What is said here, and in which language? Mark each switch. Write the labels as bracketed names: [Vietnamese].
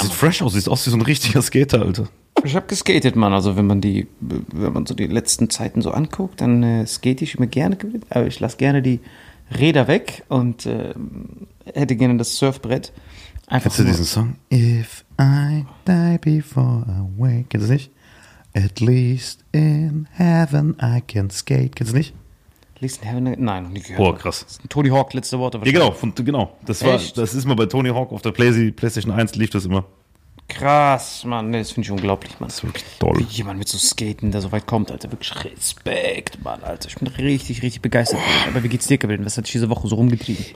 [German] Sieht fresh aus, sieht aus wie so ein richtiger Skater, Alter. Ich hab geskatet, Mann. Also wenn man so die letzten Zeiten so anguckt, dann skate ich immer gerne. Aber ich lasse gerne die Räder weg und hätte gerne das Surfbrett. Einfach kennst du diesen Song? [English] If I die before I wake. [German] Kennst du nicht? [English] At least in heaven I can skate. [German] Kennst du nicht? [English] At least in heaven? [German] Nein, noch nie gehört. Boah, krass. Tony Hawk, letzte Worte. Ja, genau. Das ist mal bei Tony Hawk auf der PlayStation 1 lief das immer. Krass, Mann. Das finde ich unglaublich, Mann. Das ist wirklich toll. Wie jemand mit so Skaten, der so weit kommt, Alter. Wirklich Respekt, Mann, Alter. Ich bin richtig, richtig begeistert. Oh. Aber wie geht's dir, Kevin? Was hat dich diese Woche so rumgetrieben?